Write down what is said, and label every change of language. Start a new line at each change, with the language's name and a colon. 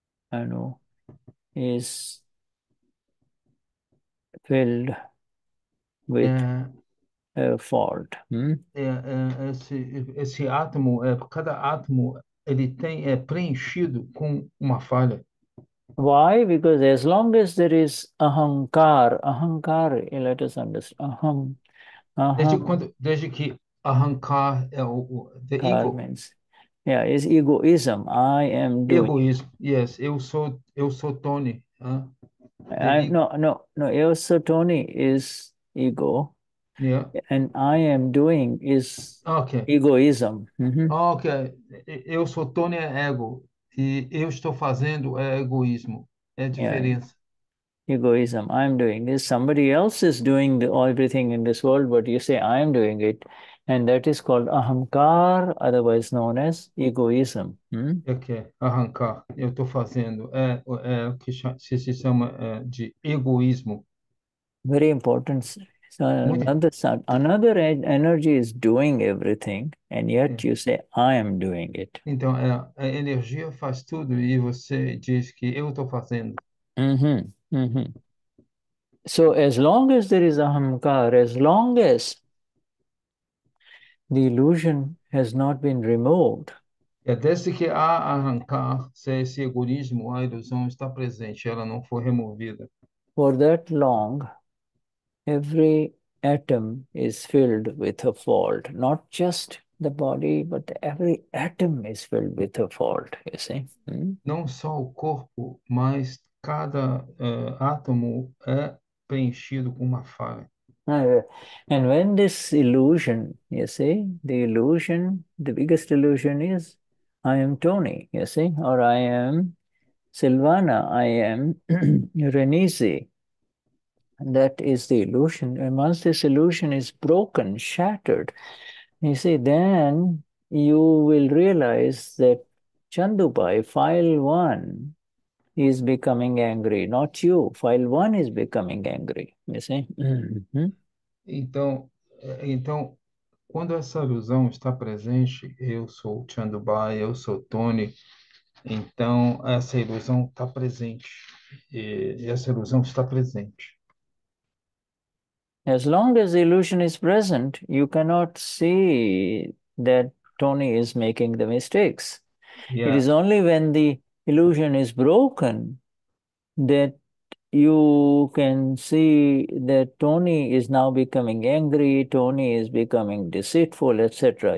English: Anu is filled with a fault.
Portuguese: Esse átomo, cada átomo, ele tem preenchido com uma falha.
English: Why? Because as long as there is ahankar, let us understand.
Portuguese: Desde que ahankar é
English: the ego. Kar means, yeah, is egoism. I am doing. Egoism. Yes,
Portuguese: eu sou Tony.
English: No.
Portuguese: Eu sou Tony
English: is ego. Yeah. And I am doing is egoism.
Portuguese: Okay. Eu sou Tony é ego. E eu estou fazendo é egoísmo. É diferença.
English: Yeah. Egoism. I am doing is somebody else is doing everything in this world, but you say I am doing it. And that is called ahamkar, otherwise known as egoism.
Portuguese: Okay. Arrancar. Eu estou fazendo. É o que se chama de egoísmo.
English: Very important. So another energy is doing everything, and yet you say, I am doing it.
Portuguese: Então, a energia faz tudo e você diz que eu estou fazendo.
English: So as long as there is ahamkar, as long as the illusion has not been removed.
Portuguese: Desde que há ahamkar, se esse egoísmo, a ilusão está presente, ela não foi removida.
English: For that long, every atom is filled with a fault, not just the body, but every atom is filled with a fault, you see.
Portuguese: Não só o corpo, mas cada átomo é preenchido com uma falha.
English: And when this illusion, you see, the illusion, the biggest illusion is, I am Tony, you see, or I am Silvana, I am Renisi. That is the illusion. And once this illusion is broken, shattered, you see, then you will realize that Chandubai, file one, is becoming angry. Not you. File one is becoming angry. You see?
Portuguese: Então, quando essa ilusão está presente, eu sou Chandubai, eu sou Tony, então essa ilusão está presente. E essa ilusão está presente.
English: As long as the illusion is present, you cannot see that Tony is making the mistakes. Yeah. It is only when the illusion is broken that you can see that Tony is now becoming angry, Tony is becoming deceitful, etc.